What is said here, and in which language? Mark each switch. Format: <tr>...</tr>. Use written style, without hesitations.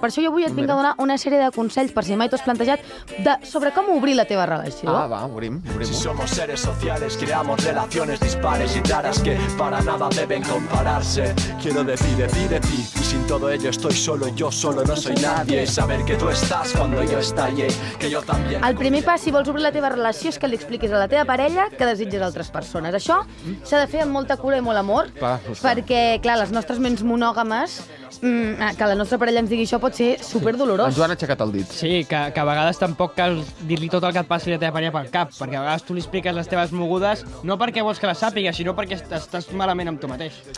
<ca>Per això jo avui et vinc a donar una sèrie de consells, per si mai t'ho has plantejat, sobre com obrir la teva relació. Ah, va, obrim.</ca> <es>Si somos seres sociales, creamos relaciones dispares y raras que para nada deben compararse. Quiero decir, decir, decir, y sin todo ello estoy solo, yo solo no soy nadie. Saber que tú estás cuando yo estallé, que yo también...</es> <ca>El primer pas, si vols obrir la teva relació, és que li expliquis a la teva parella que desitges altres persones. Això s'ha de fer amb molta cura i molt amor. Va. Perquè, clar, les nostres ments monògames, que la nostra parella ens digui això pot ser superdolorós. En Joan ha aixecat el dit. Sí, que a vegades tampoc cal dir-li tot el que et passa a la teva parella pel cap, perquè a vegades tu li expliques les teves mogudes no perquè vols que la sàpiga, sinó perquè estàs malament amb tu mateix.</ca>